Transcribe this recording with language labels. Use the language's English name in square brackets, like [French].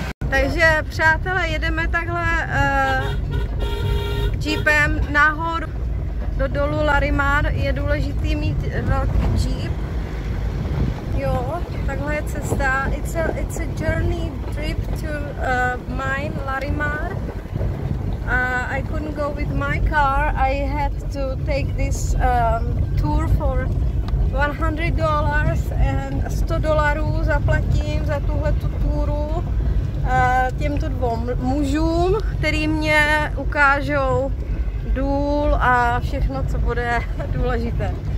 [Czech] Takže přátelé, jedeme takhle jeepem nahoru do dolu Larimar. Je důležitý mít velký jeep. Jo, takhle je cesta. [English] It's a journey trip to mine Larimar. I couldn't go with my car. I had to take this tour for $100 and $100 [Czech] zaplatím za tuhle tu túru těmto dvou mužům, který mě ukážou důl a všechno, co bude důležité.